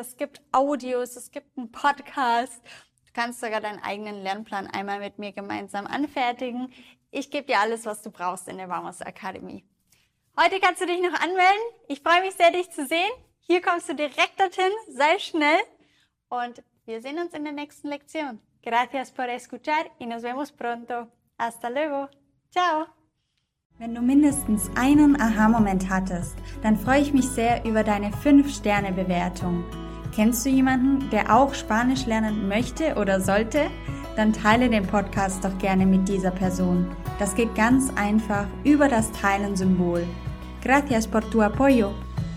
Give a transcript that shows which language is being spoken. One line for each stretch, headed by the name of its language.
German: Es gibt Audios, es gibt einen Podcast. Du kannst sogar deinen eigenen Lernplan einmal mit mir gemeinsam anfertigen. Ich gebe dir alles, was du brauchst in der Vamos Akademie. Heute kannst du dich noch anmelden. Ich freue mich sehr, dich zu sehen. Hier kommst du direkt dorthin. Sei schnell. Und wir sehen uns in der nächsten Lektion.
Spanish: Gracias por escuchar y nos vemos pronto. Hasta luego. Ciao.
German: Wenn du mindestens einen Aha-Moment hattest, dann freue ich mich sehr über deine 5-Sterne-Bewertung. Kennst du jemanden, der auch Spanisch lernen möchte oder sollte? Dann teile den Podcast doch gerne mit dieser Person. Das geht ganz einfach über das Teilen-Symbol.
Spanish: Gracias por tu apoyo.